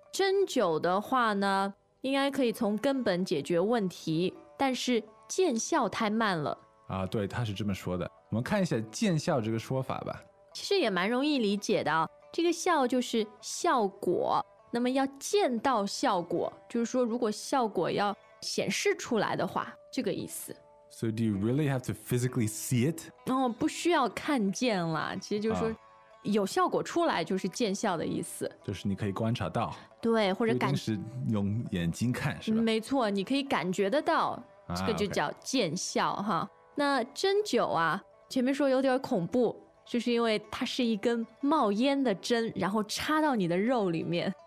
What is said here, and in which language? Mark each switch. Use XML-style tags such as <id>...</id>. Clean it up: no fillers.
<zh>针灸的话呢，应该可以从根本解决问题，但是见效太慢了啊。对，他是这么说的。我们看一下见效这个说法吧。其实也蛮容易理解的，这个效就是效果，那么要见到效果，就是说如果效果要显示出来的话，这个意思。</zh> <en>So do you really have to physically see it?</en> <zh>不需要看见了，其实就是说有效果出来就是见效的意思，就是你可以观察到。对，或者感觉是用眼睛看是吧？没错，你可以感觉得到，这个就叫见效哈。那针灸啊，前面说有点恐怖，就是因为它是一根冒烟的针，然后插到你的肉里面。</zh>